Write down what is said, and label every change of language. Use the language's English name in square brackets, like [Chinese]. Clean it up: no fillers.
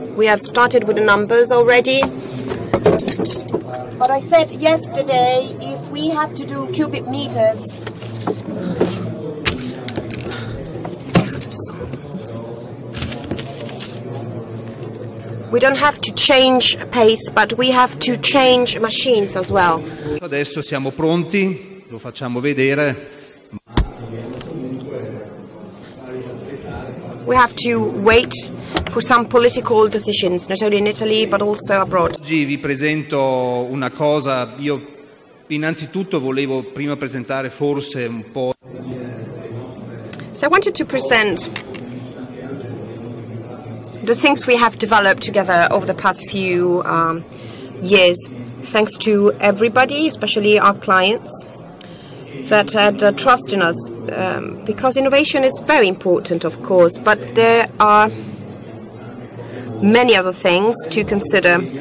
[English] We have started with the numbers already. But I said yesterday, if we have to do cubic meters, we don't have to change pace, but we have to change machines as well. [Italian] Adesso siamo pronti, lo facciamo vedere. [English] We have to wait for some political decisions, not only in Italy but also abroad. [Italian] Oggi vi presento una cosa. Io innanzitutto volevo prima presentare forse un po'. [English] So I wanted to present the things we have developed together over the past few years, thanks to everybody, especially our clients, that had trust in us, because innovation is very important, of course, but there are many other things to consider.